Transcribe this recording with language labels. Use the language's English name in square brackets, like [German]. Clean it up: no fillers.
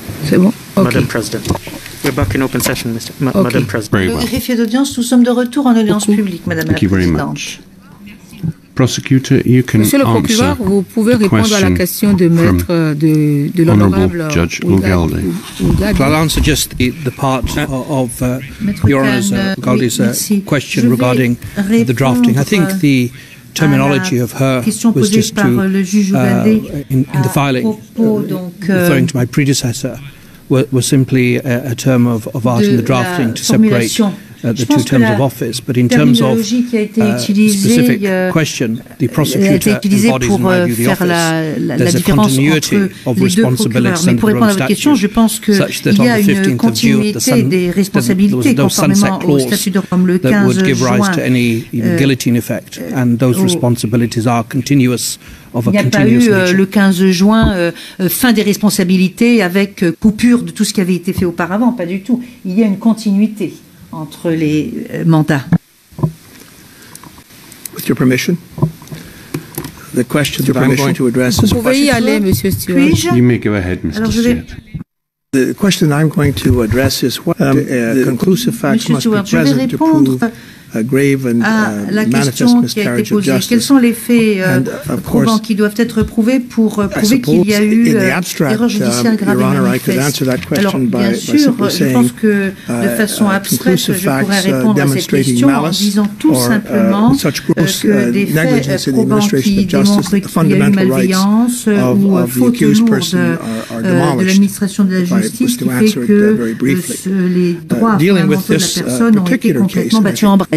[English] Okay. Madam President. We're back in open session, Madam President. [French] Le greffier d'audience, nous sommes de retour en audience publique, Madame la Présidente. [English] Prosecutor, you can [French] Monsieur le procureur, vous pouvez répondre à la question de maître de l'honorable Goudé. [English] I'll answer just the part of Your Honor's Goudé's question regarding the drafting. I think the terminology of her was just to, in the filing, referring to my predecessor, was simply a term of art in the drafting to separate the two terms of office, but in terms of specific question, the prosecutor embodies, in my view, the office. There's a continuity of responsibilities under Rome statute, such that on the 15th of June, there was no sunset clause that would give rise to any guillotine effect, and those responsibilities are continuous. [French] Il n'y a pas eu le 15 juin fin des responsabilités avec coupure de tout ce qui avait été fait auparavant, pas du tout. Il y a une continuité entre les mandats. [English] With your permission, the question that I'm going to address is [French] Vous pouvez y aller, Monsieur Stewart. [English] You may go ahead, Mr. Stewart. The question I'm going to address is what the conclusive facts must be present to prove. A grave and [French] la question qui a été posée, quels sont les faits prouvants qui doivent être prouvés pour prouver qu'il y a eu erreur judiciaire grave et manifeste. Alors, bien sûr, je pense que de façon abstraite, je pourrais répondre à cette question en disant tout simplement que des faits probants qui démontrent qu'il y a eu malveillance ou faute lourde de l'administration de la justice qui fait que les droits fondamentaux de la personne ont été complètement battus en bras.